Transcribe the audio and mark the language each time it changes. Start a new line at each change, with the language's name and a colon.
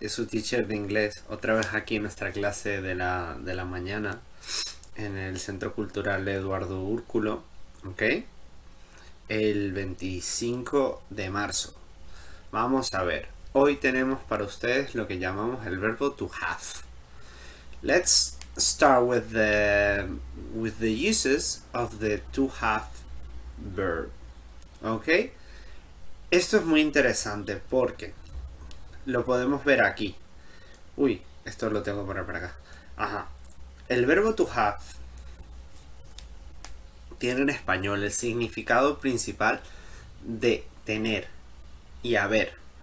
Spanish: Es su teacher de inglés, otra vez aquí en nuestra clase de la mañana en el Centro Cultural Eduardo Úrculo, ¿ok? El 25 de marzo. Vamos a ver, hoy tenemos para ustedes lo que llamamos el verbo to have.
English: Let's start with the uses of the to have verb, ¿ok?
Spanish: Esto es muy interesante porque lo podemos ver aquí. Uy, esto lo tengo que poner para acá. Ajá. El verbo to have tiene en español el significado principal de tener y haber.